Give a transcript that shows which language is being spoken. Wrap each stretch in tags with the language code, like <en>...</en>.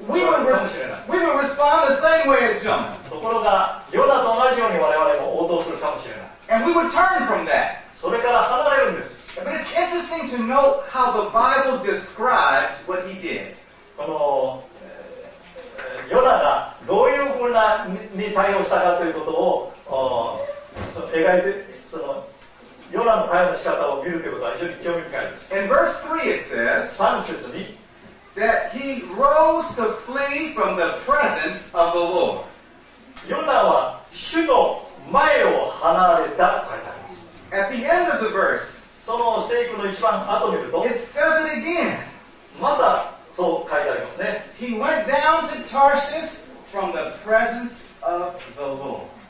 <en>We will respond the same way as Jonah.</en> <ja>ところが、ヨナと同じように我々も応答するかもしれない。</ja> <en>And we will turn from that.</en> <ja>それから離れるんです。</ja> <en>But it's interesting to note how the Bible describes what he did.</en> <ja>このヨナがどういうふうなに対応したかということを描いて、そのヨナの対応の仕方を見るということは非常に興味深いです。</ja> <en>In verse 3 it says,</en> <ja>3節に、</ja> <en>That he rose to flee from the presence of the Lord.</en> <ja>ヨナは主の前を離れたと書いてあります。</ja> <en>At the end of the verse,</en> <ja>その聖句の一番後を見ると、</ja> <en>It says it again.</en> <ja>またそう書いてありますね。</ja> <en>He went down to Tarshish from the presence of the Lord.</en>